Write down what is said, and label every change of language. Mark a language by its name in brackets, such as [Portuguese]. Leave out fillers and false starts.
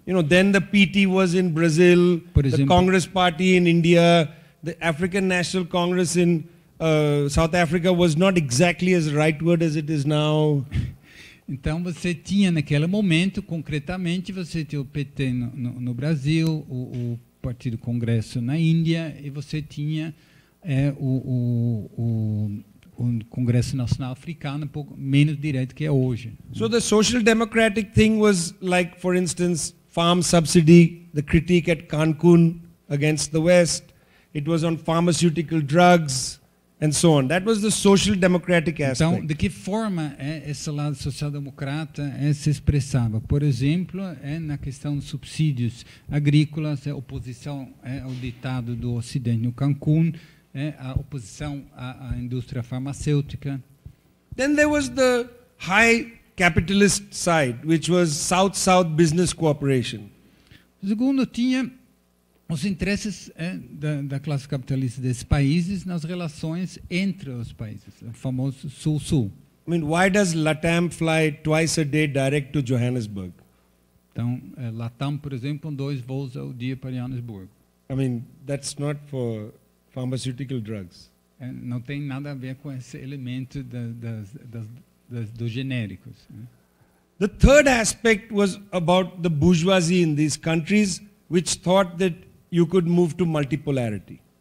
[English] You know, then the PT was in Brazil, [Portuguese] por exemplo, [English] the Congress Party in India, the African National Congress in South Africa was not exactly as rightward as it is now. [Portuguese] Então você tinha naquele momento, concretamente, você tinha o PT no Brasil, o Partido Congresso na Índia, e você tinha o Congresso Nacional Africano um pouco menos direito que é hoje. [English] So the social democratic thing was like, for instance, farm subsidy, the critique at Cancun against the West. It was on pharmaceutical drugs. And so on. That was the social democratic aspect. [Portuguese] Então, de que forma esse lado social-democrata se expressava? Por exemplo, na questão dos subsídios agrícolas, oposição ao ditado do Ocidente no Cancún, a oposição à indústria farmacêutica. [English] Then there was the high capitalist side, which was South-South business cooperation. [Portuguese] Segundo, tinha os interesses da classe capitalista desses países nas relações entre os países, o famoso Sul-Sul. [English] I mean, why does LATAM fly twice a day direct to Johannesburg? [Portuguese] Então, LATAM, por exemplo, dois voos ao dia para Johannesburg. [English] I mean, that's not for pharmaceutical drugs. [Portuguese] Não tem nada a ver com esse elemento dos genéricos. [English] The third aspect was about the bourgeoisie in these countries, which thought that you could move to multipolarity.